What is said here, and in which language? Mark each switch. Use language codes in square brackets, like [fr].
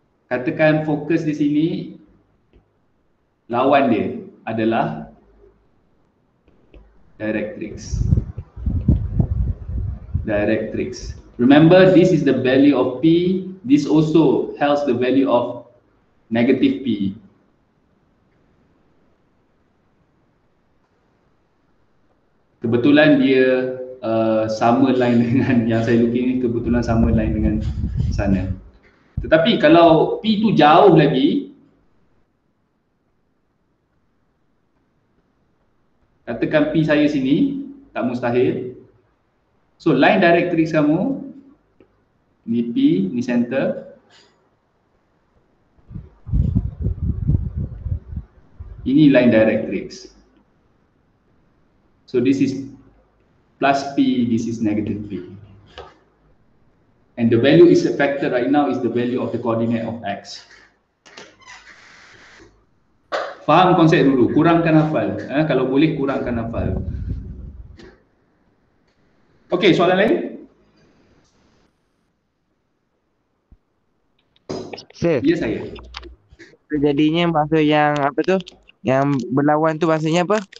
[ms] katakan fokus di sini, lawan dia adalah directrix. [en] Directrix. Remember, this is the value of P. This also helps the value of negative P. [ms] Kebetulan dia sama line dengan yang saya [en] looking [ms] ni, kebetulan sama line dengan sana. Tetapi kalau P tu jauh lagi, katakan P saya sini, tak mustahil. So line directrix kamu, ni P, ni center. Ini line directrix. [en] So this is plus P, this is negative P. And the value is affected right now is the value of the coordinate of X. [ms] Faham konsep dulu, kurangkan hafal. Kalau boleh kurangkan hafal. Okay, soalan lain? Sir. Ya, saya. Jadinya maksud yang apa tu? Yang berlawan tu maksudnya apa?